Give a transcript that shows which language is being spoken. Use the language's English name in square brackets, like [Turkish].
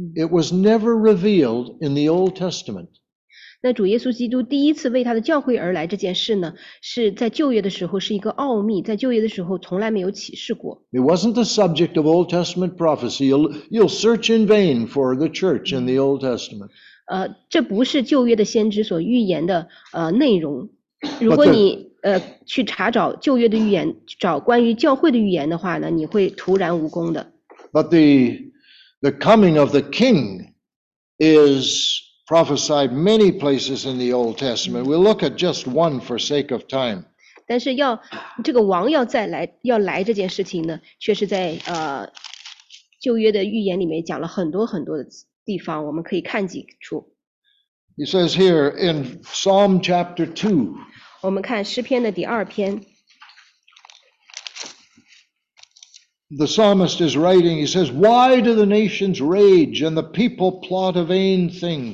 [English] It was never revealed in the Old Testament. [Chinese] 那主耶稣基督第一次为他的教会而来这件事呢，是在旧约的时候是一个奥秘，在旧约的时候从来没有启示过。 [English] It wasn't the subject of Old Testament prophecy. You'll search in vain for the church in the Old Testament. [Chinese] 这不是旧约的先知所预言的内容。如果你去查找旧约的预言，找关于教会的预言的话呢，你会徒然无功的。 [English] But the coming of the king is prophesied many places in the Old Testament. We'll look at just one for sake of time. [Chinese] 但是要这个王要再来要来这件事情呢，却是在旧约的预言里面讲了很多很多的地方，我们可以看几处。 [English] He says here in Psalm chapter 2. [Chinese] 我们看诗篇的第二篇。 [English] The psalmist is writing, he says, Why do the nations rage and the people plot a vain thing?